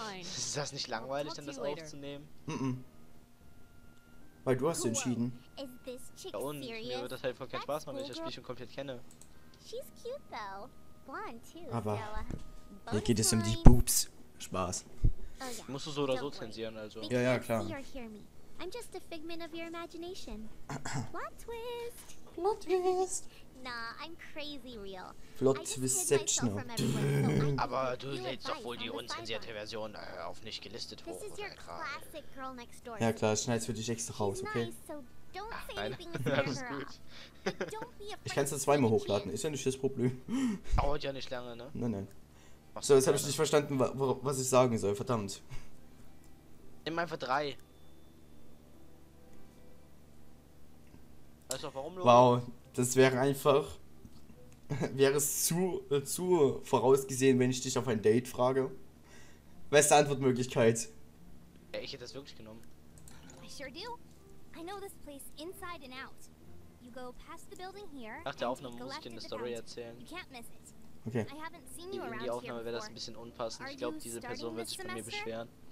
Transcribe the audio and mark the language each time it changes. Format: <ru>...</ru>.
<de>Ist das nicht langweilig, dann das aufzunehmen? Mhm. Weil du hast entschieden. Ja, und mir wird das halt voll kein Spaß machen, wenn ich das Spiel schon komplett kenne.</de> <en>She's cute though. Blonde too.</en> <de>Aber hier geht es um die Boobs. Spaß. Oh, ja. Musst du so oder so zensieren, also. Ja, ja, klar.</de> <en>I'm just a figment of your imagination. Plot twist. Plot twist. Nah, I'm crazy real. Plot twist sectional.</en> <de>Aber du lädst doch wohl die unzensierte Version auf nicht gelistet hoch, oder gerade? Ja, klar, schneid's für dich extra raus, okay? Ach, nein, alles gut. Ich kann's dann zweimal hochladen, ist ja nicht das Problem. Dauert ja nicht lange, ne? Nein, nein. So, jetzt habe ich nicht verstanden, was ich sagen soll, verdammt. Nimm einfach drei. Also, warum los? Wow, das wäre einfach. Wäre es zu vorausgesehen, wenn ich dich auf ein Date frage? Beste Antwortmöglichkeit. Ja, ich hätte das wirklich genommen.</de> <en>Ich sure do. I know this place inside and out. You go past the building here.</en> <de>Nach der Aufnahme muss ich dir eine Story erzählen.</de> <en>You can't miss it. Okay.</en> <de>In die Aufnahme wäre das ein bisschen unpassend. Ich glaube, diese Person wird sich bei mir beschweren.</de>